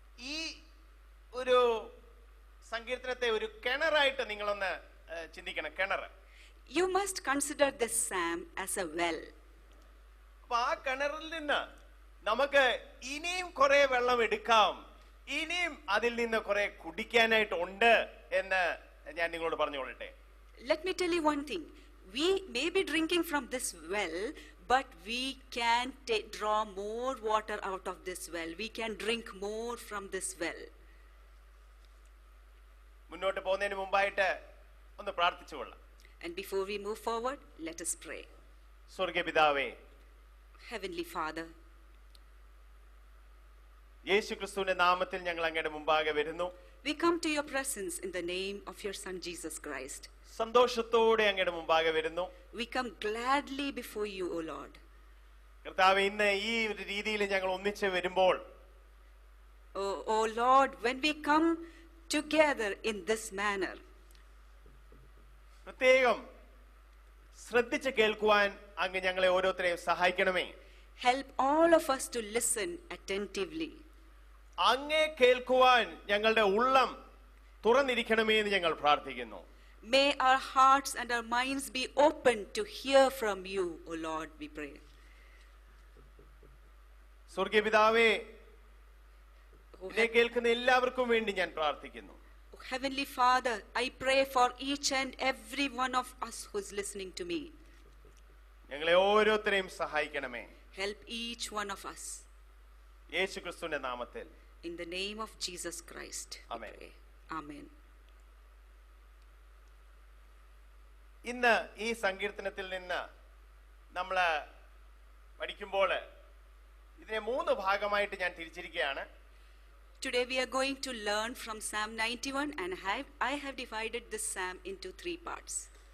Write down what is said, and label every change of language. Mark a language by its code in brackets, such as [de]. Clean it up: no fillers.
[ml] ഈ ഒരു സങ്കീർത്തനത്തെ ഒരു കിണറായിട്ട് നിങ്ങൾ ഒന്ന് ചിന്തിക്കണം. കിണർ. [en] You must consider this psalm as a well. [ml] ആ കിണറിൽ നിന്ന് നമുക്ക് ഇനിയും കുറേ വെള്ളം എടുക്കാം, ഇനിയും അതിൽ നിന്ന് കുറേ കുടിക്കാനായിട്ട് ഉണ്ട് എന്ന് ഞാൻ നിങ്ങളോട് പറഞ്ഞുകൊള്ളട്ടെ. [en] Let me tell you one thing. We may be drinking from this well, but we can draw more water out of this well. We can drink more from this well. [ml] മുന്നോട്ട് പോകുന്നതിന് മുമ്പായിട്ട് ഒന്ന് പ്രാർത്ഥിച്ചുകൊള്ളാം. [en] And before we move forward, let us pray. [ml] സ്വർഗ്ഗപിതാവേ, [en] Heavenly Father, [ml] യേശുക്രിസ്തുവിന്റെ നാമത്തിൽ ഞങ്ങൾ അങ്ങയുടെ മുമ്പാകെ വരുന്നു. [en] We come to your presence in the name of your son Jesus Christ. [ml] സന്തോഷത്തോടെ അങ്ങയുടെ മുമ്പാകെ വരുന്നു. [en] We come gladly before you, O Lord. [ml] കർത്താവേ, ഇന്ന് ഈ ഒരു രീതിയിൽ ഞങ്ങൾ ഒന്നിച്ച് വരുമ്പോൾ, [en] O Lord, when we come together in this manner, [ml] പ്രത്യേകം ശ്രദ്ധിച്ച് കേൾക്കുവാൻ അങ്ങ് ഞങ്ങളെ ഓരോരുത്തരെയും സഹായിക്കണമേ. [en] Help all of us to listen attentively. [ml] അങ്ങേ കേൾക്കുവാൻ ഞങ്ങളുടെ ഉള്ളം തുറന്നിരിക്കണമേ എന്ന് ഞങ്ങൾ പ്രാർത്ഥിക്കുന്നു. [en] May our hearts and our minds be open to hear from you, O Lord, we pray. [ml] സ്വർഗ്ഗപിതാവേ, എന്നെ കേൾക്കുന്ന എല്ലാവർക്കും വേണ്ടി ഞാൻ പ്രാർത്ഥിക്കുന്നു. [en] Heavenly Father, I pray for each and every one of us who is listening to me. [ml] ഞങ്ങളെ ഓരോരുത്തരെയും സഹായിക്കണമേ. [en] Help each one of us. [ml] യേശുക്രിസ്തുവിന്റെ നാമത്തിൽ. [en] In the name of Jesus Christ. Amen. Amen. [ml] ഇന്ന് ഈ സങ്കീർത്തനത്തിൽ നിന്ന് നമ്മൾ പഠിക്കുമ്പോൾ ഇതിനെ മൂന്ന് ഭാഗമായിട്ട് ഞാൻ തിരിച്ചിരിക്കുകയാണ്. [en] Today we are going to learn from Psalm 91 and I have divided this psalm into 3 parts.